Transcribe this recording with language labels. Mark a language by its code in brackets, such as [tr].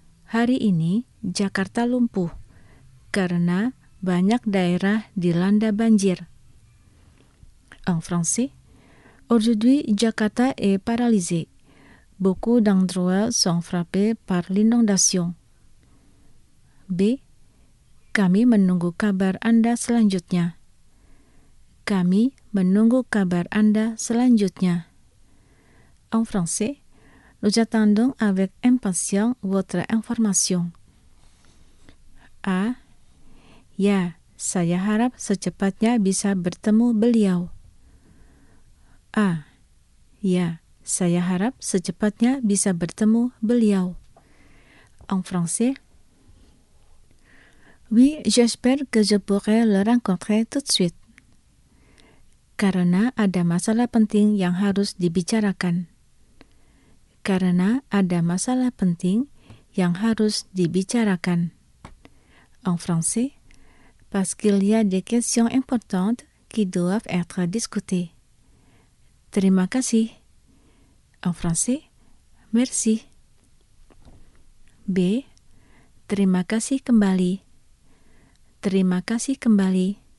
[id] Hari ini, Jakarta lumpuh karena banyak daerah dilanda banjir. [fr] En français, aujourd'hui, Jakarta est paralysé. Beaucoup d'endroits sont frappés par l'inondation. B. [id] Kami menunggu kabar Anda selanjutnya. Kami menunggu kabar Anda selanjutnya. [fr] En français, nous attendons avec impatience votre information. A. [id] Ya, saya harap secepatnya bisa bertemu beliau. A. Ya, saya harap secepatnya bisa bertemu beliau. [fr] En français, oui, j'espère que je pourrai le rencontrer tout de suite. [id] Karena ada masalah penting yang harus dibicarakan. Karena ada masalah penting yang harus dibicarakan. [fr] En français, parce qu'il y a des questions importantes qui doivent être discutées. [id] Terima kasih. [fr] En français, merci. B. [id] Terima kasih kembali. Terima kasih kembali.